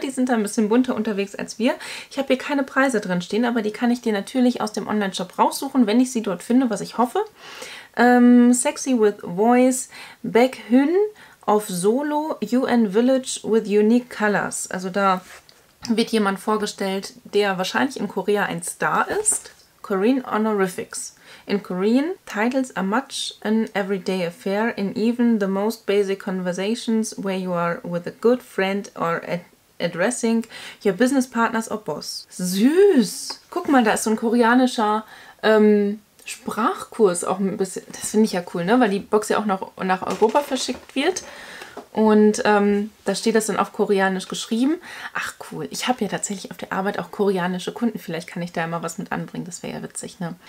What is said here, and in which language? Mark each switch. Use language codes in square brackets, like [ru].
[de] Die sind da ein bisschen bunter unterwegs als wir. Ich habe hier keine Preise drin stehen, aber die kann ich dir natürlich aus dem Online-Shop raussuchen, wenn ich sie dort finde, was ich hoffe. [en] Sexy with Voice, Baek Hyun auf Solo, UN Village with Unique Colors. [de] Also da wird jemand vorgestellt, der wahrscheinlich in Korea ein Star ist. [en] Korean Honorifics. In Korean, titles are much an everyday affair in even the most basic conversations where you are with a good friend or addressing your business partners or boss. [de] Süß! Guck mal, da ist so ein koreanischer Sprachkurs auch ein bisschen. Das finde ich ja cool, ne? Weil die Box ja auch noch nach Europa verschickt wird. Und da steht das dann auf Koreanisch geschrieben. Ach cool, ich habe ja tatsächlich auf der Arbeit auch koreanische Kunden. Vielleicht kann ich da mal was mit anbringen, das wäre ja witzig, ne?